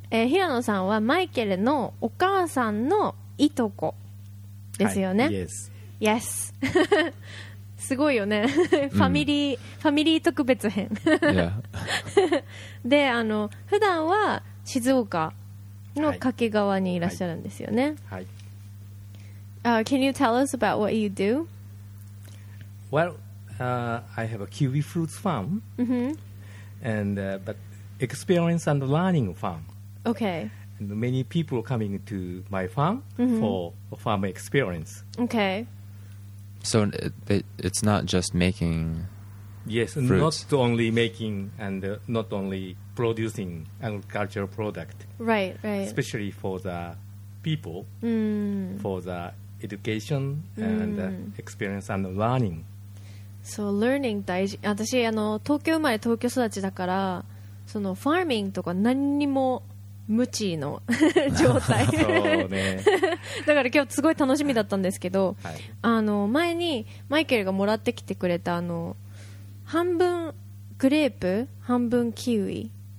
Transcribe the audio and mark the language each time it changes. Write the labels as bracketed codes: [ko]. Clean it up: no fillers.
[ja] 平野さんはマイケルのお母さんのいとこですよね。はい、yes。 Yes。 すごいよね。ファミリー特別編。 [en] yeah。 [ja] で、普段は静岡の掛川にいらっしゃるんですよね。はい。 [en] Can you tell us about what you do? Well, I have a kiwi fruits farm, and but experience and learning farm. Okay. And many people coming to my farm for farm experience. Okay. So it's not just making. Yes, not only making and not only. Producing agricultural product, right, right. Especially for the people, for the education and experience and learning. So learning [ja] 大事。私東京生まれ東京育ちだから、そのファーミングとか何にも無知の状態。そうね。だから今日すごい楽しみだったんですけど、はい、前にマイケルがもらってきてくれた半分グレープ、半分キウイ。